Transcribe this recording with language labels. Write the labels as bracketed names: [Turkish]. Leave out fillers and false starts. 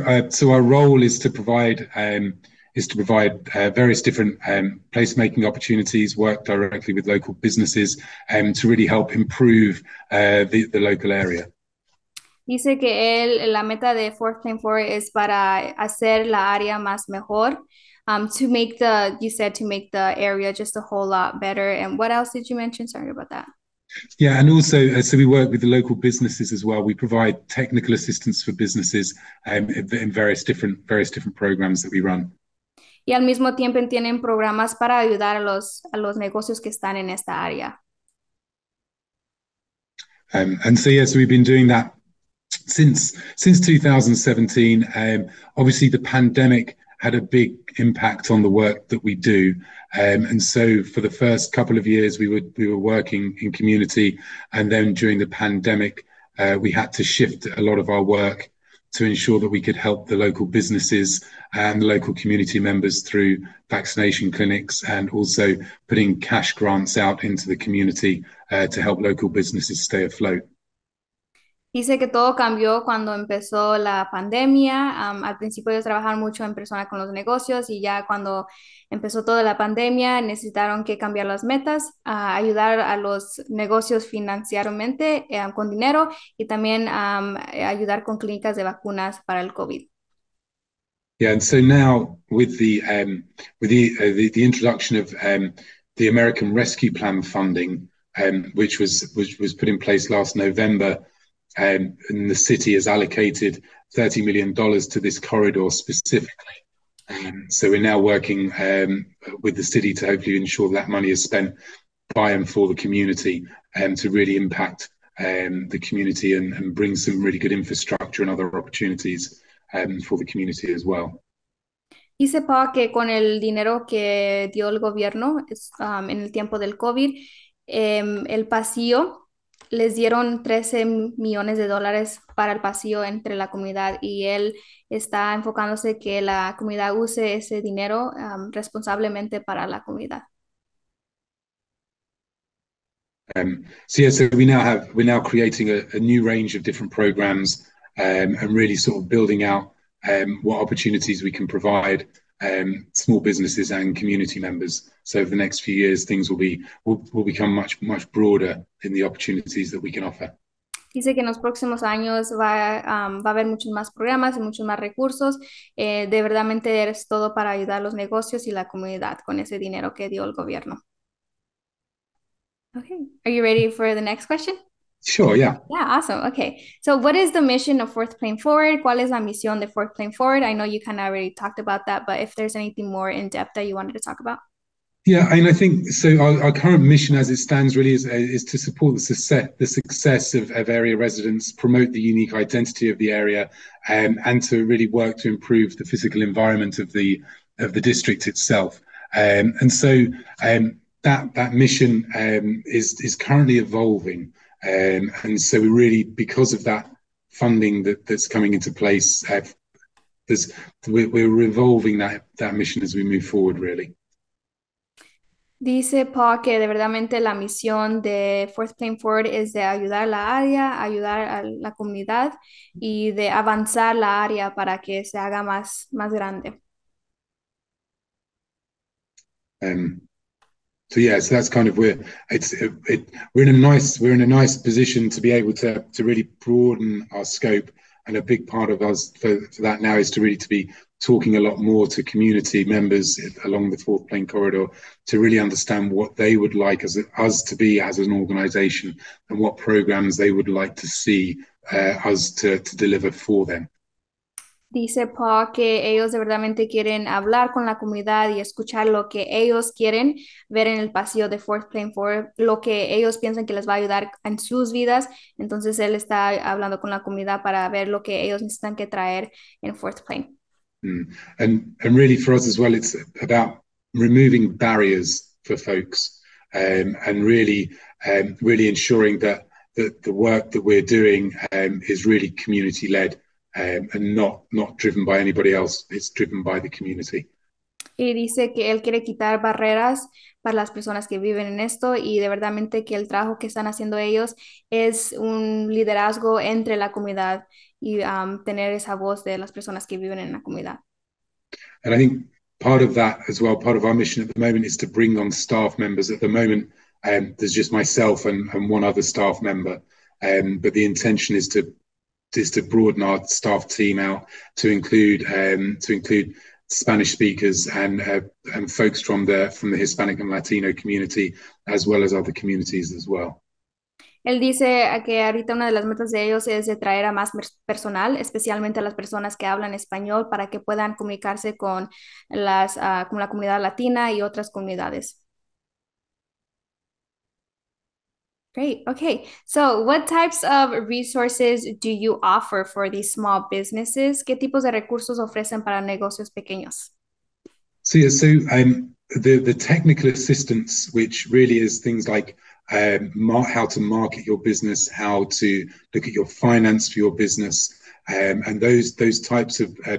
[English] So our role is to provide various different placemaking opportunities, work directly with local businesses, to really help improve the local area. [Spanish] Dice que él, la meta de Fourth Plane Forward es para hacer la área más mejor. [English] To make the, you said to make the area just a whole lot better. And what else did you mention? Sorry about that. Yeah, and also, so we work with the local businesses as well. We provide technical assistance for businesses in various different programs that we run. [Spanish] Y al mismo tiempo tienen programas para ayudar a los negocios que están en esta área. [English] So we've been doing that since 2017. Obviously, the pandemic had a big impact on the work that we do. So for the first couple of years, we were working in community, and then during the pandemic, we had to shift a lot of our work to ensure that we could help the local businesses and the local community members through vaccination clinics and also putting cash grants out into the community, to help local businesses stay afloat. [Spanish] Dice que todo cambió cuando empezó la pandemia. Al principio ellos trabajaban mucho en persona con los negocios y ya cuando empezó toda la pandemia necesitaron que cambiar las metas, ayudar a los negocios financieramente, con dinero y también ayudar con clínicas de vacunas para el COVID. [English] Yeah, and so now with the the introduction of the American Rescue Plan funding, which was put in place last November, and the city has allocated $30 million to this corridor specifically. So we're now working with the city to hopefully ensure that money is spent by and for the community, and to really impact the community and bring some really good infrastructure and other opportunities for the community as well. [Spanish] Y sepa que con el dinero que dio el gobierno en el tiempo del COVID, el pasillo, les dieron 13 millones de dólares para el pasillo entre la comunidad y él está enfocándose que la comunidad use ese dinero responsablemente para la comunidad. [English] So we now have, we're now creating a new range of different programs and really sort of building out what opportunities we can provide small businesses and community members. So over the next few years, things will be will become much, much broader in the opportunities that we can offer. [Spanish] Dice que en los próximos años va a haber muchos más programas y muchos más recursos. De verdaderamente es todo para ayudar los negocios y la comunidad con ese dinero que dio el gobierno. [English] Okay, are you ready for the next question? Sure, yeah. Yeah, awesome. Okay, so what is the mission of Fourth Plane Forward? [Spanish] ¿Cuál es la misión de Fourth Plane Forward? [English] I know you kind of already talked about that, but if there's anything more in depth that you wanted to talk about. Yeah, and I think so. Our current mission, as it stands, really is to support the success of area residents, promote the unique identity of the area, and to really work to improve the physical environment of the district itself. And so that mission is currently evolving. And so we really, because of that funding that's coming into place, we're evolving that mission as we move forward, really. [Spanish] Dice Paul que de verdaderamente la misión de Fourth Plane Forward es de ayudar a la área, ayudar a la comunidad y de avanzar la área para que se haga más grande. [English] So that's kind of where we're in a nice position to be able to really broaden our scope, and a big part of us for that now is to really to be talking a lot more to community members along the Fourth Plane Corridor to really understand what they would like us to be as an organization and what programs they would like to see us to deliver for them. [Spanish] Dice Paul que ellos de verdaderamente quieren hablar con la comunidad y escuchar lo que ellos quieren ver en el pasillo de Fourth Plane Forward, lo que ellos piensan que les va a ayudar en sus vidas. Entonces él está hablando con la comunidad para ver lo que ellos necesitan que traer en Fourth Plane. [English] And really for us as well, it's about removing barriers for folks and really really ensuring that the work that we're doing is really community led and not driven by anybody else. It's driven by the community. [Spanish] Y dice que él quiere quitar barreras para las personas que viven en esto y de verdaderamente que el trabajo que están haciendo ellos es un liderazgo entre la comunidad y tener esa voz de las personas que viven en la comunidad. [English] And I think part of that as well, part of our mission at the moment is to bring on staff members. At the moment, there's just myself and one other staff member. But the intention is to broaden our staff team out to include Spanish speakers and folks from the Hispanic and Latino community, as well as other communities as well. [Spanish] Él dice que ahorita una de las metas de ellos es de traer a más personal, especialmente a las personas que hablan español, para que puedan comunicarse con con la comunidad latina y otras comunidades. [English] Great. Okay. So, what types of resources do you offer for these small businesses? [Spanish] ¿Qué tipos de recursos ofrecen para negocios pequeños? [English] The technical assistance, which really is things like how to market your business, how to look at your finance for your business, and those types of